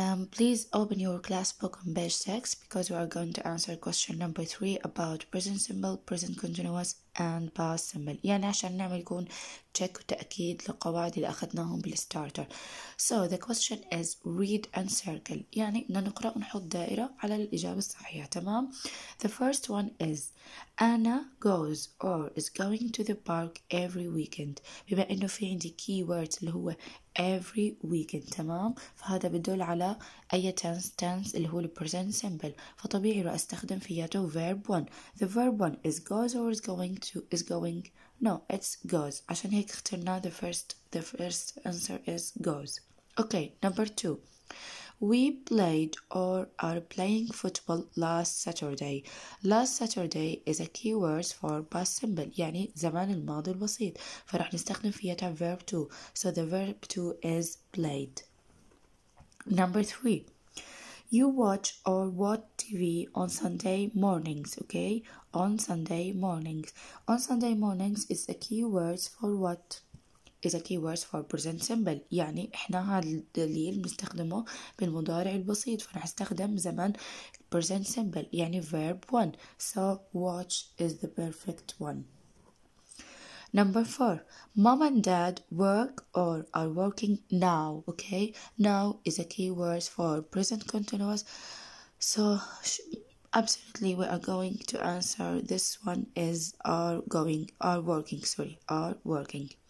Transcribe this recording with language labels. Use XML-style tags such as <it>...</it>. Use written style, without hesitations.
<en>Please open your class book on page 6 because we are going to answer question number 3 about present simple, present continuous and past simple.</en> <ar>يعني عشان نعمل يكون check وتأكيد للقواعد اللي أخذناهم بالستارتر.</ar> <en>So the question is read and circle.</en> <ar>يعني نقرأ ونحط دائرة على الإجابة الصحيحة. تمام.</ar> <en>The first one is Anna goes or is going to the park every weekend.</en> <ar>بما إنه في عندي keywords اللي هو every weekend. تمام. فهذا بدل على أي tense اللي هو</ar> <en>the present simple.</en> <ar>فطبيعي رح أستخدم فياته verb one.</ar> <en>The verb one is goes or is going to is going. No, it's goes.</en> <ar>عشان هيك اخترنا</ar> <en>the first answer is goes. Okay, number two. We played or are playing football last Saturday. Last Saturday is a keyword for past simple.</en> <ar>يعني زمان الماضي البسيط. فرح نستخدم فيها verb two.</ar> <en>So the verb two is played. Number three. You watch or watch TV on Sunday mornings. Okay, on Sunday mornings. On Sunday mornings is a keyword for what? Is a keyword for present simple.</en> <ar>يعني إحنا هذا الدليل بنستخدمه بالمضارع البسيط فرح استخدم زمن present simple يعني verb one.</ar> <en>So watch is the perfect one. Number four. Mom and dad work or are working now. Okay. Now is a keyword for present continuous. So absolutely we are going to answer this one is are working.</en>